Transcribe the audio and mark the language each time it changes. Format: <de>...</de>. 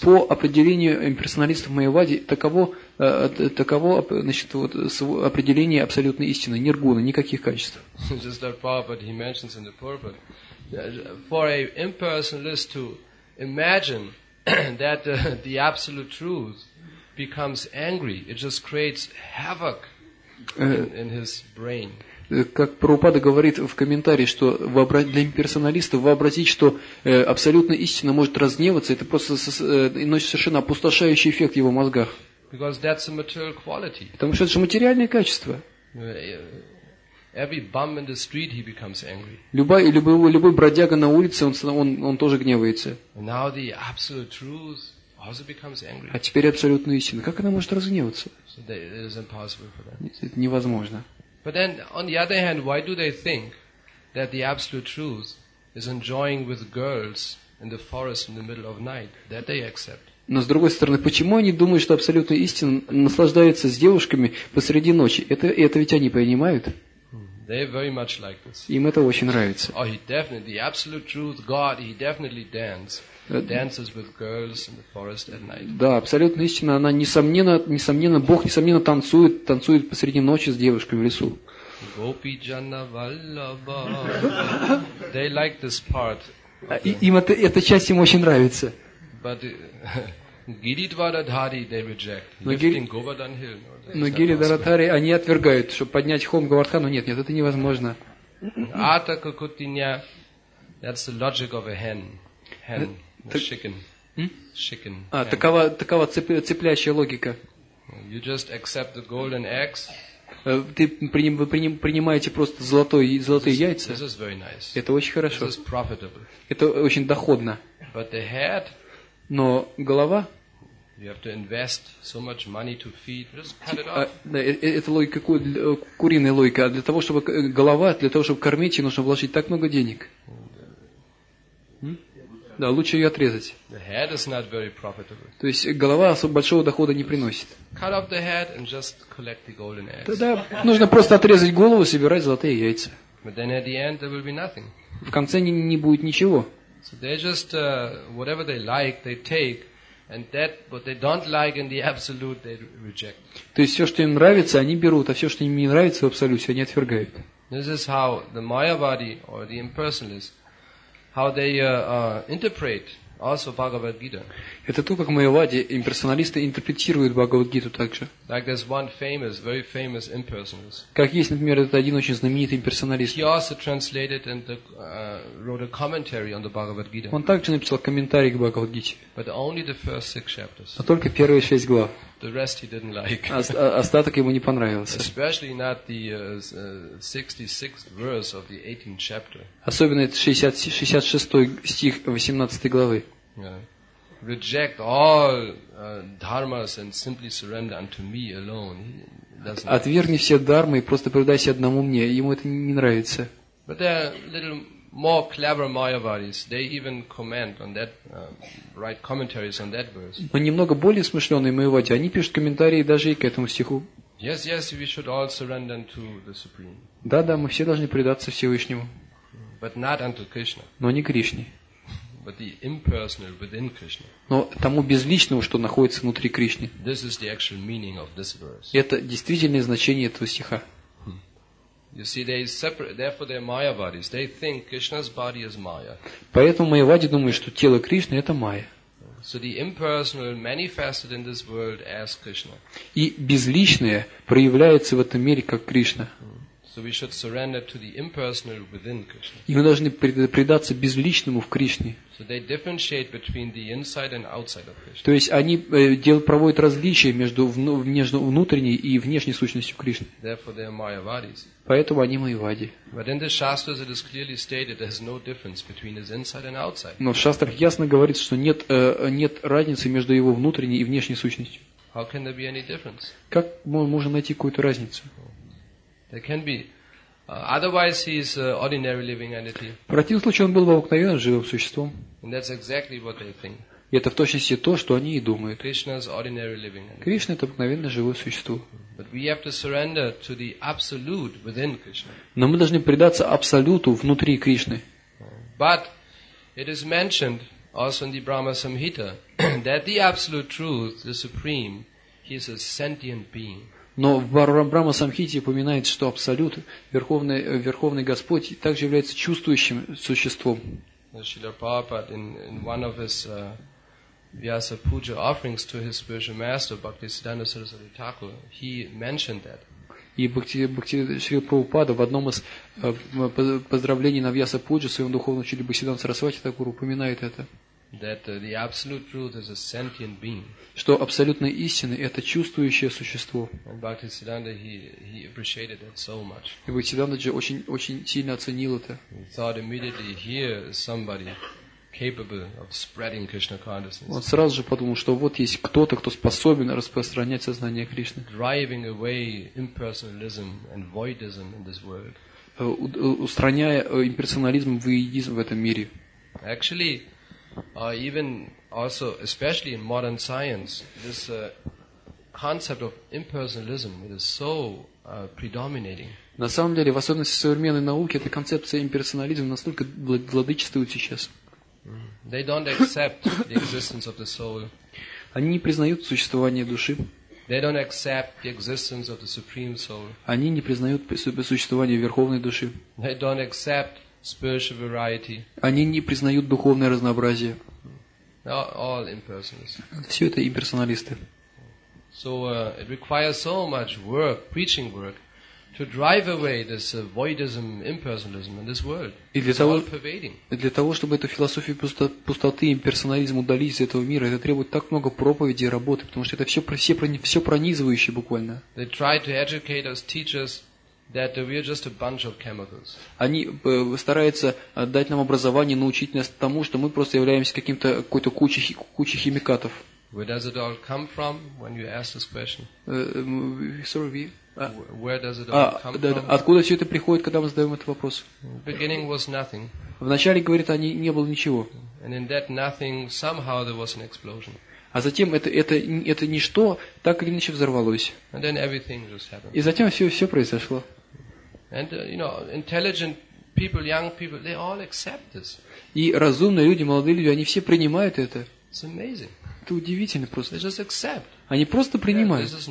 <ru>По определению имперсоналистов Майявади, таково, значит, вот, определение абсолютной истины. Ниргуна, никаких качеств.</ru> <en>Just like Prabhupada, he mentions in the Purport, for an impersonalist to imagine that the absolute truth becomes angry, it just creates havoc in his brain.</en> <ru>Как Прабхупада говорит в комментарии, что для имперсоналиста вообразить, что абсолютная истина может разгневаться, это просто носит совершенно опустошающий эффект в его мозгах.</ru> <en>Because that's a material quality.</en> <ru>Потому что это же материальное качество.</ru> <en>Every bum in the street, he becomes angry.</en> <ru>Любой бродяга на улице, он тоже гневается.</ru> <en>Now the absolute truth also becomes angry.</en> <ru>А теперь абсолютная истина. Как она может разгневаться?</ru> <en>So that it is impossible for them.</en> <ru>Это невозможно.</ru> <en>But then, on the other hand, why do they think that the absolute truth is enjoying with girls in the forest in the middle of night? That they accept.</en> <ru>Но с другой стороны, почему они думают, что абсолютная истина наслаждается с девушками посреди ночи? Это ведь они понимают?</ru> <en>They very much like this.</en> <ru>Им это очень нравится.</ru> <en>Oh, he definitely, the absolute truth, God, he definitely dances with girls in the forest at night.</en> <ru>Да, абсолютная истина, она несомненно, Бог несомненно танцует посреди ночи с девушками в лесу.</ru> <en>Gopi Janna Vallabha. They like this part.</en> <ru>Им эта часть им очень нравится.</ru> <en>But Гиридвара-дхари, they reject. Lifting Govardhan Hill.</en> <ru>Но Гиридвара-дхари, они отвергают, чтобы поднять холм Говардхану. Нет, это невозможно.</ru> <en>Ата кокутиня, that's the logic of a hen. Hen. Chicken. Chicken.</en> <ru>А, такова цепляющая логика.</ru> <en>You just accept the golden eggs.</en> <ru>Вы принимаете просто золотые яйца.</ru> <en>This is very nice.</en> <ru>Это очень хорошо.</ru> <en>This is profitable.</en> <ru>Это очень доходно.</ru> <en>But the head.</en> <ru>Но голова.</ru> <en>You have to invest so much money to feed. Just cut it off.</en> <ru>Да, это логика куриная логика. А для того, чтобы голова, для того, чтобы кормить, ей нужно вложить так много денег. Да, лучше ее отрезать.</ru> <en>The head is not very profitable.</en> <ru>То есть голова особо большого дохода не приносит.</ru> <en>Cut off the head and just collect the golden eggs.</en> <ru>Тогда нужно просто отрезать голову и собирать золотые яйца.</ru> <en>But then at the end there will be nothing.</en> <ru>В конце не будет ничего.</ru> <en>So they just whatever they like, they take, And that, what they don't like in the absolute, they reject.</en> <ru>То есть все, что им нравится, они берут, а все, что им не нравится в абсолюте, они отвергают.</ru> <en>This is how the Mayavadi or the impersonalists, how they interpret also Bhagavad Gita.</en> <ru>Это то, как майявади имперсоналисты интерпретируют Бхагавад-гиту также.</ru> <en>Like there's one famous, very famous impersonalist.</en> <ru>Как есть, например, этот один очень знаменитый имперсоналист.</ru> <en>He also translated and wrote a commentary on the Bhagavad Gita.</en> <ru>Он также написал комментарий к Бхагавад-гите.</ru> <en>But only the first six chapters.</en> <ru>Но только первые шесть глав.</ru> <en>The rest he didn't like.</en> <ru>Остаток ему не понравился.</ru> <en>Especially not the 66th verse of the 18th chapter.</en> <ru>Особенно это 66-й стих 18 главы.</ru> <en>Reject all dharmas and simply surrender unto me alone. He doesn't.</en> <ru>Отвергни все дармы и просто предайся одному мне. Ему это не нравится.</ru> <en>But there are little more clever Mayavadis. They even comment on that, write commentaries on that verse.</en> <ru>Но немного более смышленые майявади, они пишут комментарии даже и к этому стиху.</ru> <en>Yes, yes, we should all surrender unto the Supreme.</en> <ru>Да, да, мы все должны предаться Всевышнему.</ru> <en>But not unto Krishna.</en> <ru>Но не Кришне.</ru> <en>But the impersonal within Krishna.</en> <ru>Но тому безличному, что находится внутри Кришны.</ru> <en>This is the actual meaning of this verse.</en> <ru>Это действительное значение этого стиха.</ru> <en>You see, they separate. Therefore, they're Mayavadis. They think Krishna's body is Maya.</en> <ru>Поэтому майявади думают, что тело Кришны это майя.</ru> <en>So the impersonal manifested in this world as Krishna.</en> <ru>И безличное проявляется в этом мире как Кришна.</ru> <en>So we should surrender to the impersonal within Krishna.</en> <ru>И мы должны предаться безличному в Кришне.</ru> <en>So they differentiate between the inside and outside of Krishna.</en> <ru>То есть они проводят различия между внутренней и внешней сущностью Кришны.</ru> <en>Therefore they are Mayavadis.</en> <ru>Поэтому они майявади.</ru> <en>But in the shastras it is clearly stated there is no difference between his inside and outside.</en> <ru>Но в шастрах ясно говорится, что нет разницы между его внутренней и внешней сущностью.</ru> <en>How can there be any difference?</en> <ru>Как мы можем найти какую-то разницу?</ru> <en>There can be. Otherwise, he is ordinary living entity.</en> <ru>В противном случае он был бы обыкновенным живым существом.</ru> <en>And that's exactly what they think.</en> <ru>И это в точности то, что они и думают.</ru> <en>Krishna's ordinary living entity.</en> <ru>Кришна это обыкновенное живое существо.</ru> <en>But we have to surrender to the absolute within Krishna.</en> <ru>Но мы должны предаться абсолюту внутри Кришны.</ru> <en>But it is mentioned also in the Brahma Samhita that the absolute truth, the supreme, he is a sentient being.</en> <ru>Но в Брахма Самхите упоминается, что Абсолют, Верховный Господь, также является чувствующим существом.</ru> <en>Шрила Прабхупада in one of his Vyasa Puja offerings to his spiritual master, Бхактисиддханта Сарасвати Тхакур, he mentioned that.</en> <ru>И Шрила Прабхупада в одном из поздравлений на Вьяса Пуджа своему духовному учителю Бхактисиддханта Сарасвати Тхакур упоминает это.</ru> <en>That the absolute truth is a sentient being.</en> <ru>Что абсолютная истина это чувствующее существо.</ru> <en>And Bhaktisiddhanta he appreciated that so much.</en> <ru>И Бхактисиддханта же очень сильно оценил это.</ru> <en>He thought immediately here is somebody capable of spreading Krishna consciousness.</en> <ru>Он сразу же подумал, что вот есть кто-то, кто способен распространять сознание Кришны.</ru> <en>Driving away impersonalism and voidism in this world.</en> <ru>Устраняя имперсонализм и воидизм в этом мире.</ru> <en>Actually. Even also, especially in modern science, this concept of impersonalism it is so predominating.</en> <ru>На самом деле, в особенности в современной науке, эта концепция имперсонализма настолько владычествует сейчас.</ru> <en>They don't accept the existence of the soul.</en> <ru>Они не признают существование души.</ru> <en>They don't accept the existence of the supreme soul.</en> <ru>Они не признают существование верховной души.</ru> <en>They don't accept spiritual variety.</en> <ru>Они не признают духовное разнообразие.</ru> <en>All impersonalists.</en> <ru>Все это имперсоналисты.</ru> <en>So it requires so much work, preaching work, to drive away this voidism, impersonalism in this world.</en> <ru>Для того, чтобы эту философию пустоты, имперсонализм удалить из этого мира, это требует так много проповеди и работы, потому что это все пронизывающее буквально.</ru> <en>They try to educate us, teach us. That we are just a bunch of chemicals.</en> <ru>Они стараются дать нам образование, научить нас тому, что мы просто являемся какой-то кучей химикатов.</ru> <en>Where does it all come from when you ask this question? Where does it all come from?</en> <ru>Откуда все это приходит, когда мы задаем этот вопрос?</ru> <en>Beginning was nothing.</en> <ru>Вначале, говорит, они не было ничего.</ru> <en>And in that nothing somehow there was an explosion.</en> <ru>А затем это ничто так или иначе взорвалось.</ru> <en>And then everything just happened.</en> <ru>И затем все произошло.</ru> <en>And, you know, intelligent people, young people, they all accept this.</en> <ru>И разумные люди, молодые люди, они все принимают это.</ru> <en>It's amazing.</en> <ru>Это удивительно просто. Они просто принимают.</ru>